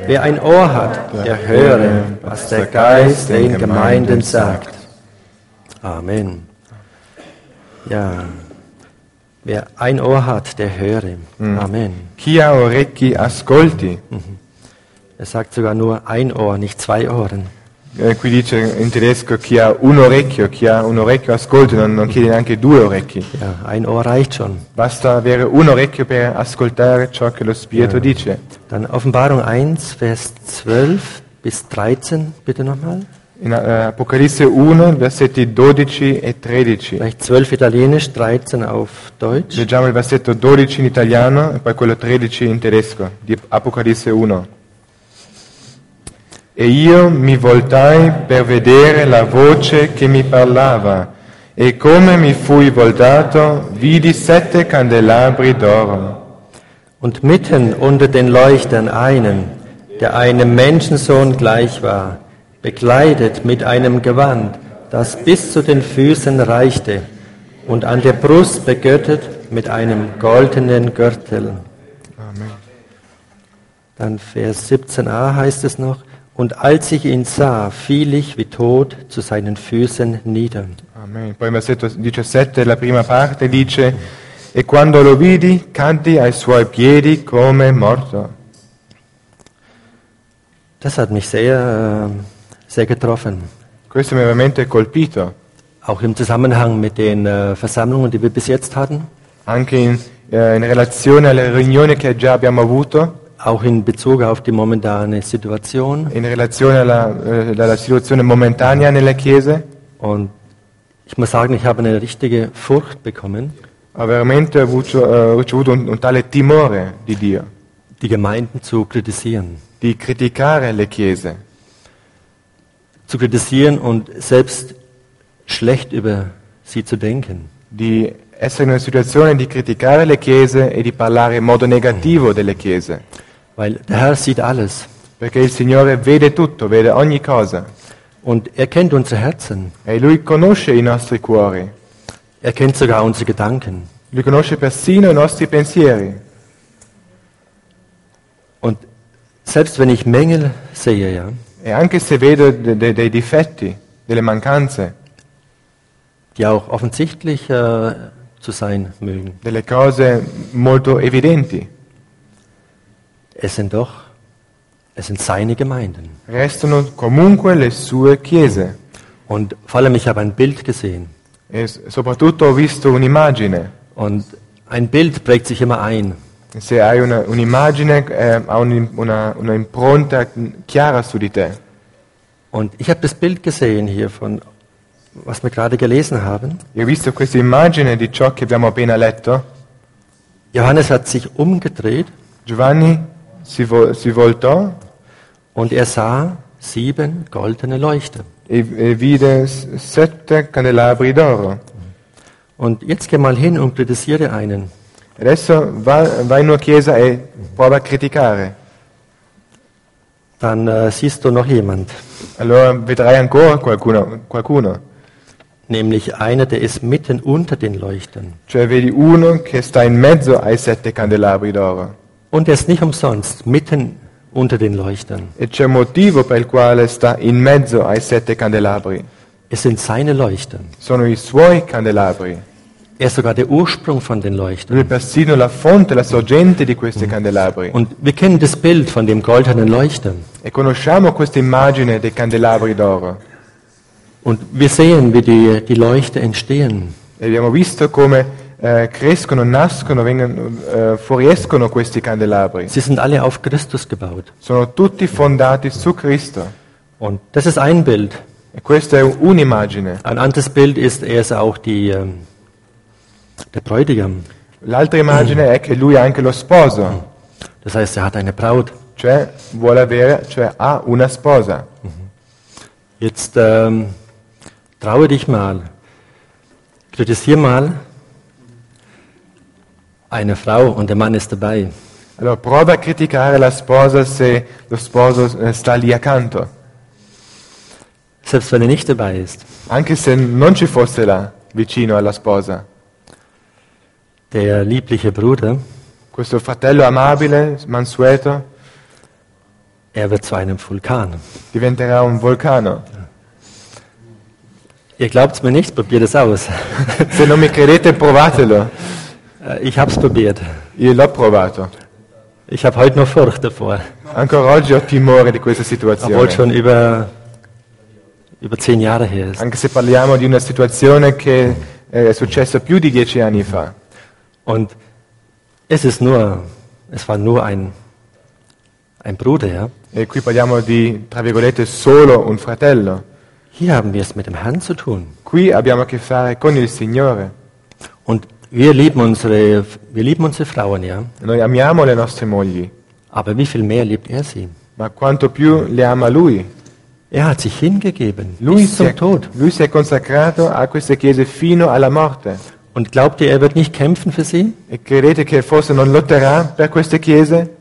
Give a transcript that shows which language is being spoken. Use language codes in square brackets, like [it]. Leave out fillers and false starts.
[de] Wer ein Ohr hat, der höre, was der Geist den Gemeinden sagt. Amen. Ja. Wer ein Ohr hat, der höre. Amen. [it] Chi ha orecchi ascolti. [de] Er sagt sogar nur ein Ohr, nicht zwei Ohren. [it] Qui dice in tedesco chi ha un orecchio ascolta, non chiede neanche due orecchi. [de] Ja, ein Ohr reicht schon. [it] Basta avere un orecchio per ascoltare ciò che lo Spirito dice. [de] Dann Offenbarung 1, Vers 12 bis 13, bitte nochmal. [it] In Apocalisse 1, versetti 12 e 13. [de] Vielleicht 12 italienisch, 13 auf Deutsch. [it] Leggiamo il versetto 12 in italiano e poi quello 13 in tedesco, di Apocalisse 1. E io mi voltai per vedere la voce che mi parlava, e come mi fui voltato, vidi sette candelabri d'oro. [de] Und mitten unter den Leuchtern einen, der einem Menschensohn gleich war, bekleidet mit einem Gewand, das bis zu den Füßen reichte, und an der Brust begürtet mit einem goldenen Gürtel. Amen. Dann Vers 17a heißt es noch, und als ich ihn sah, fiel ich wie tot zu seinen Füßen nieder. Amen. [it] Poi versetto 17, la prima parte, dice, e quando lo vidi, caddi ai suoi piedi come morto. [de] Das hat mich sehr getroffen. [it] Questo mi ha veramente colpito. [de] Auch im Zusammenhang mit den Versammlungen, die wir bis jetzt hatten. [it] Anche in relazione alle riunioni che già abbiamo avuto. [de] Auch in Bezug auf die momentane Situation. [it] In relazione alla, alla situazione momentanea nella Chiesa. [de] Und ich muss sagen, ich habe eine richtige Furcht bekommen. [it] Ho veramente ricevuto un tale timore di Dio. [de] Die Gemeinden zu kritisieren. [it] Di criticare le Chiese. [de] Zu kritisieren und selbst schlecht über sie zu denken. [it] Di essere in una situazione di criticare le Chiese e di parlare in modo negativo delle Chiese. [de] Weil der Herr sieht alles. [it] Perché il Signore vede tutto, vede ogni cosa. [de] Und er kennt unsere Herzen. [it] E lui conosce i nostri cuori. [de] Er kennt sogar unsere Gedanken. [it] Lui conosce persino i nostri pensieri. [de] Und selbst wenn ich Mängel sehe, ja. [it] E anche se vedo dei difetti, delle mancanze. [de] Die auch offensichtlich zu sein mögen. [it] Delle cose molto evidenti. [de] Es sind seine Gemeinden. [it] Restano comunque le sue chiese. [de] Und vor allem, ich habe ein Bild gesehen. [it] E soprattutto ho visto un'immagine. [de] Und ein Bild prägt sich immer ein. [it] Se hai un'immagine, ha una impronta chiara su di te. [de] Und ich habe das Bild gesehen hier von was wir gerade gelesen haben. [it] Io ho visto questa immagine di ciò che abbiamo appena letto. [de] Johannes hat sich umgedreht. [it] Giovanni si voltò. [de] Und er sah sieben goldene Leuchter. [it] E vide sette candelabri d'oro. [de] Und jetzt geh mal hin und kritisiere einen. [it] Adesso vai in una chiesa e prova a criticare. [de] Dann siehst du noch jemand. [it] Allora vedrai ancora qualcuno. [de] Nämlich einer, der ist mitten unter den Leuchtern. [it] Cioè vedi uno che sta in mezzo ai sette candelabri d'oro. [de] Und er ist nicht umsonst mitten unter den Leuchtern. [it] E c'è motivo per il quale sta in mezzo ai sette candelabri. [de] Es sind seine Leuchten. [it] Sono i suoi candelabri. [de] Er ist sogar der Ursprung von den Leuchtern. [it] Lui è persino la fonte, la sorgente di questi candelabri. [de] Und wir kennen das Bild von dem goldenen Leuchtern. [it] E conosciamo questa immagine dei candelabri d'oro. [de] Und wir sehen, wie die Leuchte entstehen. [it] E abbiamo visto come crescono, nascono, fuoriescono questi candelabri. [de] Sie sind alle auf Christus gebaut. [it] Sono tutti fondati su Cristo. [de] Und das ist ein Bild. [it] E questa è un'immagine. [de] Ein anderes Bild ist, er ist auch der Bräutigam. [it] L'altra immagine è che lui è anche lo sposo. [de] Das heißt, er hat eine Braut. [it] Cioè, vuole avere, cioè ha una sposa. [de] Jetzt traue dich mal, kritisier mal eine Frau und der Mann ist dabei. [it] Allora prova a criticare la sposa se lo sposo sta lì accanto. [de] Selbst wenn er nicht dabei ist. [it] Anche se non ci fosse là vicino alla sposa. [de] Der liebliche Bruder. [it] Questo fratello amabile, mansueto. [de] Er wird zu einem Vulkan. [it] Diventerà un vulcano. [de] Ihr glaubt's mir nicht, probiert es aus. [it] Se non mi credete, provatelo. [de] Ich hab's probiert. [it] Io l'ho provato. [de] Ich habe heute noch Furcht davor. [it] Ancora oggi ho timore di questa situazione. [de] Obwohl schon über 10 Jahre her ist. [it] Anche se parliamo di una situazione che è successa più di 10 anni fa. [de] Und es war nur ein Bruder, ja. [it] E qui parliamo di, tra virgolette, solo un fratello. [de] Hier haben wir es mit dem Herrn zu tun. [it] Qui abbiamo a che fare con il Signore. [de] Und wir lieben unsere Frauen, ja. [it] Noi amiamo le nostre mogli. [de] Aber wie viel mehr liebt er sie? [it] Ma quanto più le ama lui? [de] Er hat sich hingegeben. [it] Lui [de] bis zum Tod. [it] Lui si è consacrato a questa chiesa fino alla morte. [de] Und glaubt ihr, er wird nicht kämpfen für sie? [it] E credete che forse non lotterà per queste chiese?